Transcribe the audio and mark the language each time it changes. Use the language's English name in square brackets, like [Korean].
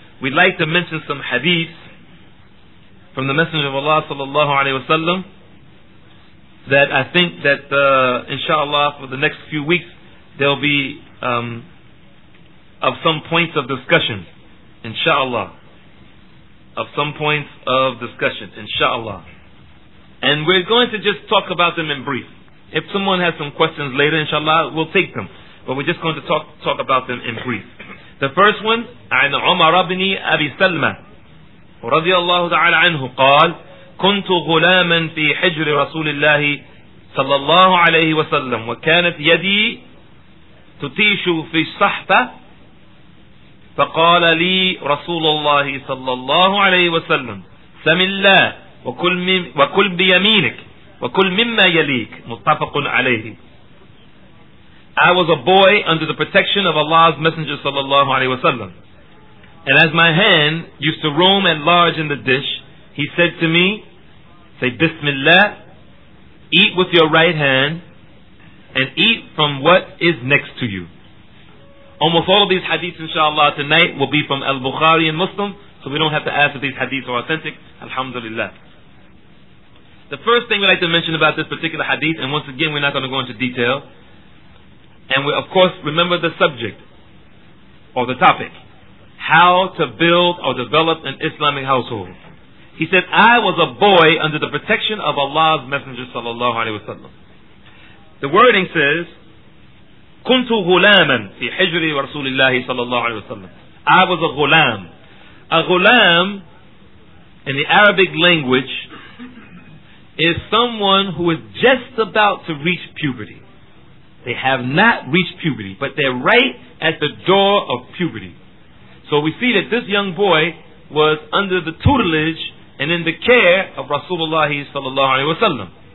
[English] We'd like to mention some hadith from the Messenger of Allah, sallallahu alayhi wa sallam, that I think that, inshallah, for the next few weeks, there'll be of some points of discussion, inshallah. Of some points of discussion, inshallah. And we're going to just talk about them in brief. If someone has some questions later, inshallah, we'll take them. But we're just going to talk about them in brief. The first one, [Arabic] عن عمر بن أبي سلمة رضي الله تعالى عنه قال كنت غلاما في حجر رسول الله صلى الله عليه وسلم وكانت يدي تتيش في الصحفة فقال لي رسول الله صلى الله عليه وسلم سم الله وكل بيمينك وكل مما يليك متفق عليه. [English] I was a boy under the protection of Allah's Messenger sallallahu alayhi wasallam. And as my hand used to roam at large in the dish, he said to me, say Bismillah, eat with your right hand, and eat from what is next to you. Almost all of these hadiths, inshallah, tonight will be from Al-Bukhari and Muslim, so we don't have to ask if these hadiths are authentic. Alhamdulillah. The first thing we'd like to mention about this particular hadith, and once again, we're not going to go into detail, and we, of course, remember the subject or the topic, how to build or develop an Islamic household. He said, I was a boy under the protection of Allah's Messenger, sallallahu alayhi wa sallam. The wording says, [Arabic] كنت غلاما في حجر رسول الله صلى الله عليه وسلم. [English] I was a غلام. A غلام, in the Arabic language, is someone who is just about to reach puberty. They have not reached puberty, but they're right at the door of puberty. So we see that this young boy was under the tutelage and in the care of Rasulullah صلى الله عليه وسلم.